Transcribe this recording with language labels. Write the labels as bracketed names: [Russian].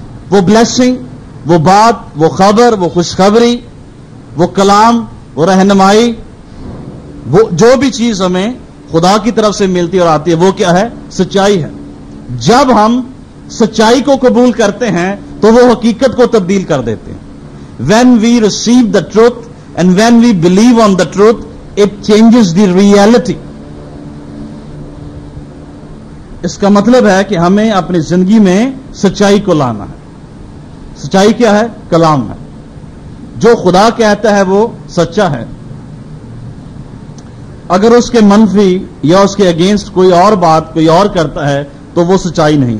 [Urdu] وہ بلیسنگ، وہ بات، وہ خبر، وہ خوشخبری، وہ کلام، وہ رہنمائی، وہ جو بھی چیز ہمیں خدا کی طرف سے ملتی اور آتی ہے وہ کیا ہے؟ سچائی ہے. جب ہم سچائی کو قبول کرتے ہیں تو وہ حقیقت کو تبدیل کر دیتے ہیں. [English] When we receive the truth and when we believe on the truth, it changes the reality. [Urdu] اس کا مطلب ہے کہ ہمیں اپنی زندگی میں سچائی کو لانا ہے. سچائی کیا ہے؟ کلام ہے. جو خدا کہتا ہے وہ سچا ہے. اگر اس کے منفی یا اس کے اگینسٹ کوئی اور بات کوئی اور کرتا ہے تو وہ سچائی نہیں.